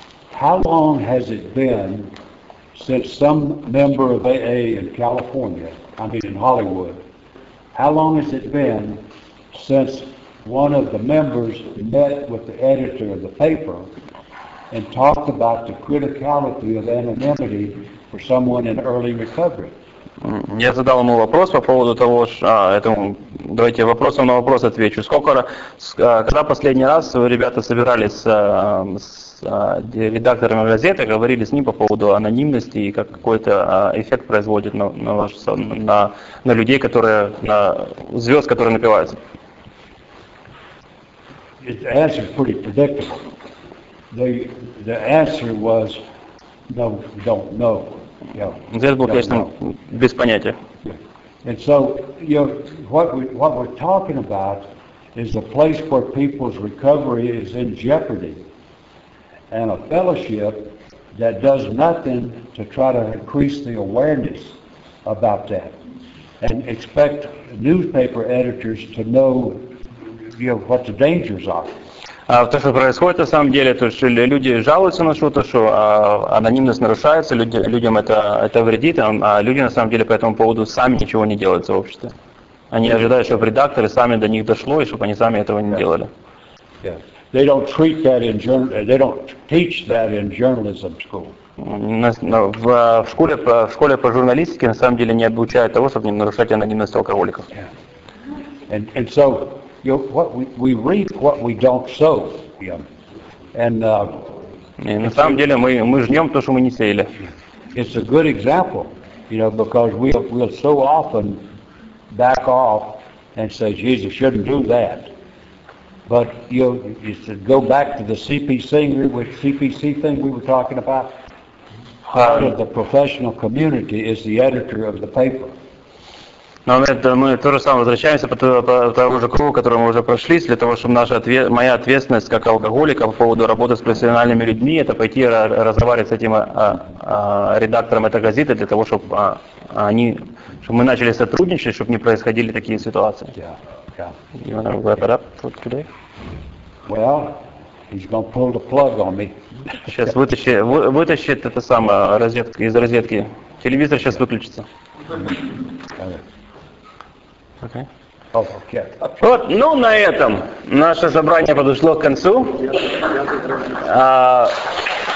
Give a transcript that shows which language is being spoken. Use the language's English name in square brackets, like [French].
[English] How long has it been since some member of AA in California, I mean in Hollywood, how long has it been since one of the members met with the editor of the paper and talked about the criticality of anonymity for someone in early recovery? [Russian] Я задал ему вопрос по поводу того, давайте вопросом на вопрос отвечу. Когда последний раз ребята собирались с редакторами газеты, говорили с ним по поводу анонимности и как какой-то эффект производит на людей, которые, на звезд, которые напиваются? [English] The answer is pretty predictable. The answer was, no, don't know. [Russian] Ответ был, конечно, без понятия. [English] And so, you know, what we're talking about is a place where people's recovery is in jeopardy, and a fellowship that does nothing to try to increase the awareness about that, and expect newspaper editors to know, you know, what the dangers are. [Russian] То, что происходит на самом деле, то что люди жалуются на что-то, что анонимность нарушается, людям это вредит, а люди на самом деле по этому поводу сами ничего не делают в сообществе. Они ожидают, чтобы редакторы сами до них дошло, и чтобы они сами этого не делали. [English] They don't treat that in journal. They don't teach that in journalism school. [Russian] В школе по журналистике на самом деле не обучают того, чтобы не нарушать анонимность алкоголиков. [English] And so you know, what we reap what we don't sow. Yeah. And [Russian] на самом деле мы жнем то, что мы не сеяли. [English] It's a good example, you know, because we'll so often back off and say, "Jesus, you shouldn't do that." But you said go back to the CPC thing we were talking about. Part of the professional community is the editor of the paper. [Russian] Но мы то же самое возвращаемся по тому же кругу, который мы уже прошли, для того, чтобы моя ответственность как алкоголика по поводу работы с профессиональными людьми, это пойти разговаривать с этим редактором этой газеты, для того, чтобы мы начали сотрудничать, чтобы не происходили такие ситуации. [English] Yeah. You want to wrap it up for today? Well, he's going to pull the plug on me. [Russian] Сейчас вытащит это самое из розетки. Телевизор сейчас выключится. [English] Okay. [Russian] Вот, ну на этом наше собрание подошло к концу.